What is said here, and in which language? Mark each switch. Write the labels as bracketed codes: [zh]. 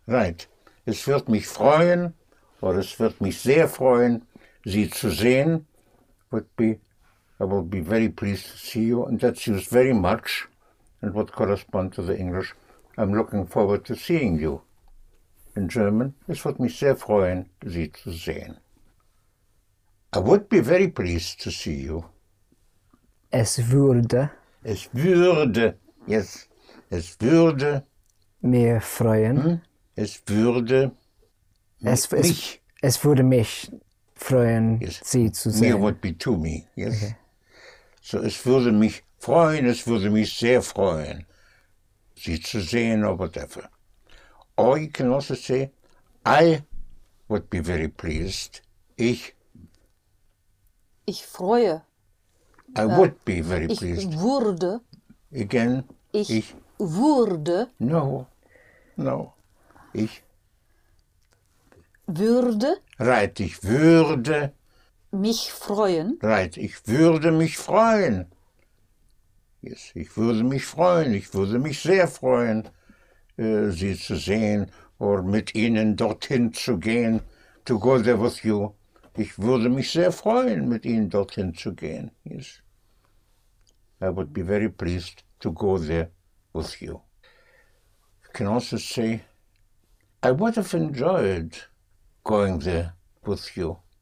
[en] Right. [de] Es wird mich freuen, [en] or [de] es wird mich sehr freuen, Sie zu sehen, [en] would be, I will be very pleased to see you. And that's used very much and would correspond to the English, I'm looking forward to seeing you. In German, [de] es wird mich sehr freuen, Sie zu sehen. [en] I would be very pleased to see you. [de] Es würde. Es würde. Yes. Es würde. Mir freuen. Hm? Es würde. Mich. Es würde mich freuen, yes. Sie zu sehen. [en] Mir would be to me. Yes. Okay. [de] So es würde mich freuen, es würde mich sehr freuen, Sie zu sehen [en] or whatever. Or you can also say, I would be very pleased. [de] Ich freue. [en] I would be very pleased. [de] Ich würde. [en] Again. [de] Ich würde. No. No. Ich. Würde. Right. Ich würde. Mich freuen. Right. Ich würde mich freuen. Yes. Ich würde mich freuen. Ich würde mich sehr freuen, Sie zu sehen oder mit Ihnen dorthin zu gehen. [en] To go there with you. [de] Ich würde mich sehr freuen, mit Ihnen dorthin zu gehen. [en] Yes. I would be very pleased to go there with you. You can also say, I would have enjoyed going there with you.